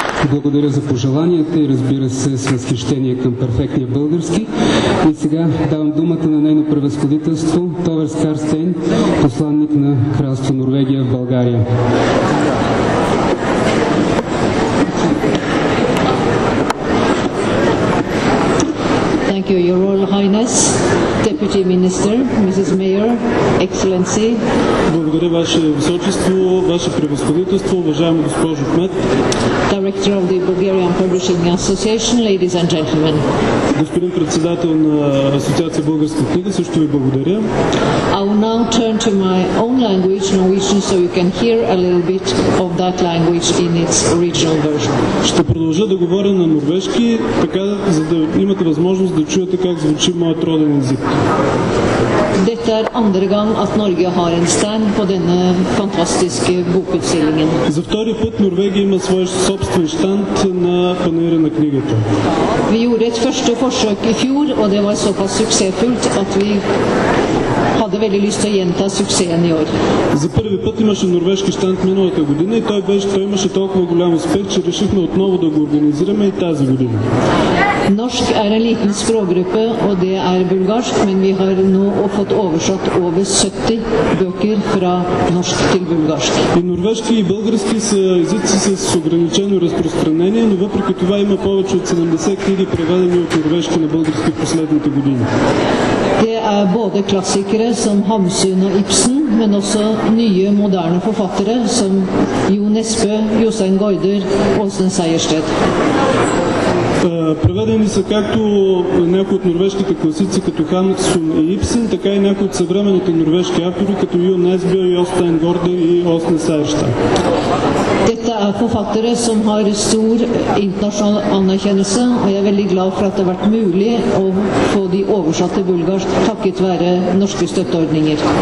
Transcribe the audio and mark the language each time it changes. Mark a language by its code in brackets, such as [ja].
[bg] Благодаря за пожеланията и, разбира се, с възхищение към перфектния български. И сега давам думата на нейно превъзходителство Товер Скарстейн, посланник на Кралство Норвегия в България. [en] Thank you, Your Royal Highness, Deputy Minister, Mrs. Mayor, Excellency. [bg] Благодаря ваше височество, ваше превъзходителство, уважаема госпожо кмет. [en] Director of the Bulgarian Publishing Association, ladies and gentlemen. [bg] Господин председател на Асоциация Българска книга, също ви благодаря. [en] I will now turn to my own language, Norwegian, so you can hear a little bit of that language in its original version. [bg] Ще продължа да говоря на норвежки, така за да имате възможност да чуете как звучи моят роден език. [no] Dette er andre gang at Norge har en stand på denne fantastiske bokutstillingen. [bg] За втори път Норвегия има свой собствен штанд на панаира на книгата. [no] Vi gjorde et første forsøk i fjor, og det var såpass suksessfullt at vi hadde veldig lyst til å gjenta suksessen i år. [bg] За първи път имаше норвежки штанд миналата година и той имаше толкова голям успех, че решихме отново да го организираме и тази година. [no] Norsk er en liten språkgruppe, og det er bulgarsk, men vi har nå fått oversatt over 70 bøker fra norsk til bulgarsk. [bg] И норвежки и български са езици с ограничено разпространение, но въпреки това има повече от 70 книги преведени от норвежки на български в последните години. [no] Det er både klassikere som Hamsun og Ibsen, men også nye moderne forfattere som Jo Nesbø, Jostein Gaarder og Åsne Seierstedt. [bg] Преведени са както някои от норвежките класици, като Хамсун и Ибсен, така и някои от съвременните норвежки автори, като Йо Несбё, Йостен Горде и Осне Сайрштад. [no] Dette er forfattere som har stor internasjonal anerkjennelse, og jeg er veldig glad for at det har vært mulig å få de oversatte bulgarsk takket være norske støtteordninger.